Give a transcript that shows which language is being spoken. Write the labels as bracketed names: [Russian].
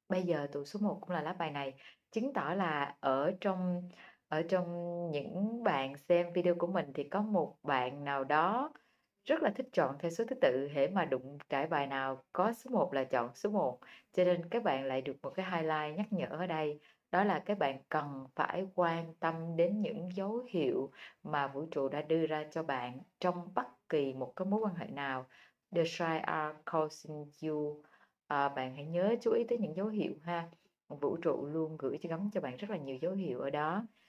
[Vietnamese] Bây giờ tụ số 1 cũng là lá bài này, chứng tỏ là ở trong những bạn xem video của mình thì có một bạn nào đó rất là thích chọn theo số thứ tự, hễ mà đụng trải bài nào có số 1 là chọn số 1, cho nên các bạn lại được một cái highlight nhắc nhở ở đây. Đó là các bạn cần phải quan tâm đến những dấu hiệu mà vũ trụ đã đưa ra cho bạn trong bất kỳ một cái mối quan hệ nào. [English] The stars are calling you. [Vietnamese] Bạn hãy nhớ chú ý tới những dấu hiệu ha. Vũ trụ luôn gửi cho gắm cho bạn rất là nhiều dấu hiệu ở đó.